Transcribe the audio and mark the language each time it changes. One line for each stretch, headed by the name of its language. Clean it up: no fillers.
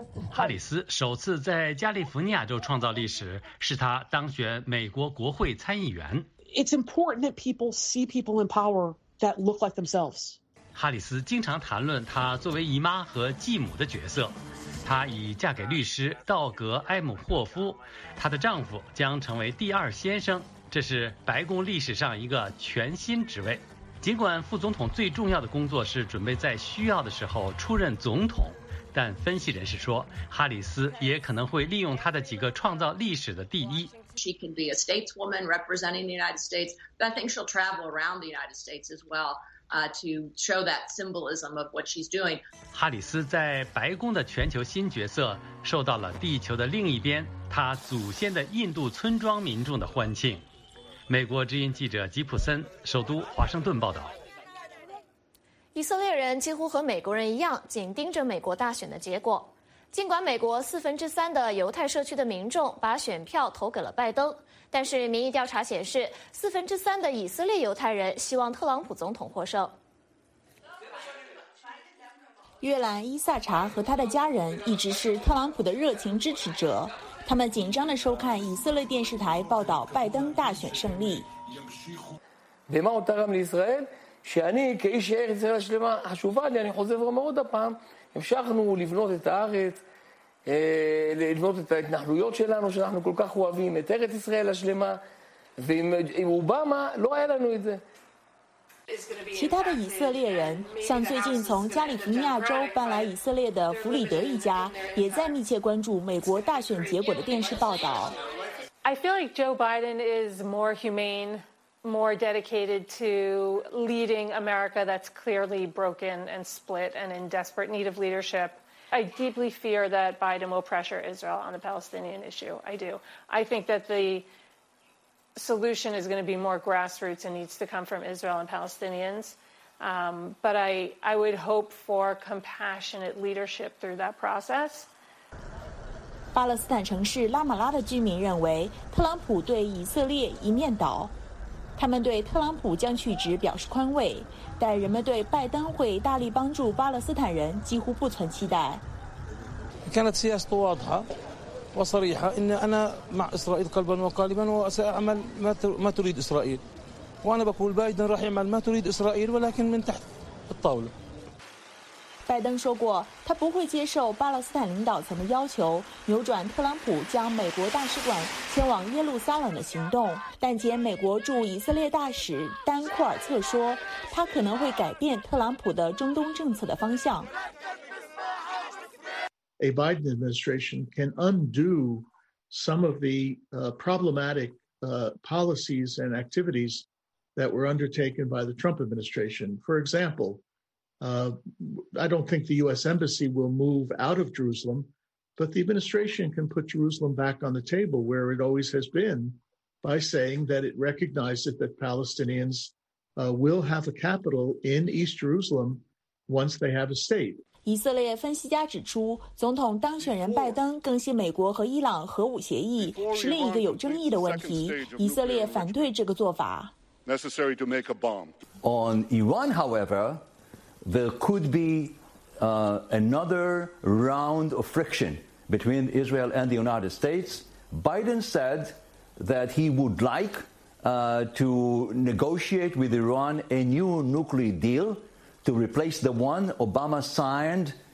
Chinese: 哈里斯首次在加利福尼亚州创造历史，是他当选美国国会参议员。
English: It's important that people see people in power that look like themselves.
Chinese: 哈里斯经常谈论她作为姨妈和继母的角色，她已嫁给律师道格·埃姆霍夫，她的丈夫将成为第二先生，这是白宫历史上一个全新职位。尽管副总统最重要的工作是准备在需要的时候出任总统，但分析人士说，哈里斯也可能会利用她的几个创造历史的第一。
English: She can be a stateswoman representing the United States, but I think she'll travel around the United States as well. To show that symbolism of what she's doing.
Chinese: 哈里斯在白宫的全球新角色受到了地球的另一边他祖先的印度村庄民众的欢庆。美国之音记者吉普森，首都华盛顿报道。以色列人几乎和美国人一样紧盯着美国大选的结果。尽管美国3/4的犹太社区的民众把选票投给了拜登，但是民意调查显示，3/4的以色列犹太人希望特朗普总统获胜。约兰·伊萨查和他的家人一直是特朗普的热情支持者，他们紧张地收看以色列电视台报道拜登大选胜利。
Hebrew: לבנות את ההתנחלויות שלנו שאנחנו כל כך אוהבים את ארץ ישראל השלמה ועם אובמה לא היה לנו את זה
Chinese: 其他的以色列人像最近从加利福尼亚州搬来以色列的弗里德一家也在密切关注美国大选结果的电视报道
English: I feel like Joe Biden is more humane more dedicated to leading America that's clearly broken and split and in desperate need of leadershipI deeply fear that Biden will pressure Israel on the Palestinian issue. I do. I think that the solution is going to be more grassroots and needs to come from Israel and Palestinians. But I would hope for compassionate leadership through that process.
Chinese: 巴勒斯坦城市拉马拉的居民认为特朗普对以色列一面倒。他们对特朗普将去职表示宽慰，但人们对拜登会大力帮助巴勒斯坦人几乎不存期待。
Arabic: كانت سياسته واضحة وصريحة إن أنا مع إسرائيل قلبا وقالبا وسأعمل ما تريد إسرائيل وأنا بقول بايدن راح يعمل ما تريد إسرائيل ولكن من تحت الطاولة.
Chinese: 拜登说过，他不会接受巴勒斯坦领导层的要求扭转特朗普将美国大使馆迁往耶路撒冷的行动。但前美国驻以色列大使丹库尔策说，他可能会改变特朗普的中东政策的方向。
English: A Biden administration can undo some of the problematic policies and activities that were undertaken by the Trump administration. For example. I don't think the U.S. Embassy will move out of Jerusalem, but the administration can put Jerusalem back on the table where it always has been by saying that it recognizes that Palestinians will have a capital in East Jerusalem once they have a state.
Chinese: 以色列分析家指出，总统当选人拜登更新美国和伊朗核武协议是另一个有争议的问题。以色列反对这个做法。
English: Necessary to make a bomb. On Iran, however,There could be another round of friction between Israel and the United States. Biden said that he would like to negotiate with Iran a new nuclear deal to replace the one Obama signed